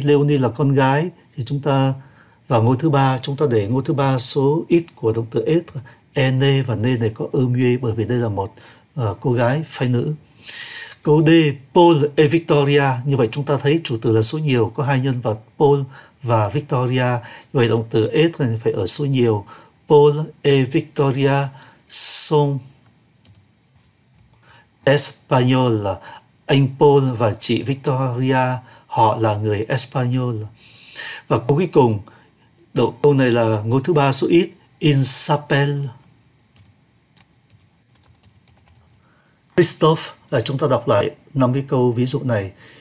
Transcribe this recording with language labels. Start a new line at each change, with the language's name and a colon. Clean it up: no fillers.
Vietnamese: Léonie là con gái. Thì chúng ta vào ngôi thứ ba, chúng ta để ngôi thứ ba số ít của động từ être. Ene và ne này có âm ue bởi vì đây là một cô gái phái nữ. Câu D, Paul et Victoria. Như vậy chúng ta thấy chủ từ là số nhiều, có hai nhân vật Paul và Victoria. Như vậy động từ être phải ở số nhiều.
French: Paul et Victoria sont Espagnol.
Vietnamese: Anh Paul và chị Victoria, họ là người Espagnol. Và câu cuối cùng, câu này là ngôi thứ ba số ít.
French: Il s'appelle Christophe.
Vietnamese: À, chúng ta đọc lại 5 cái câu ví dụ này.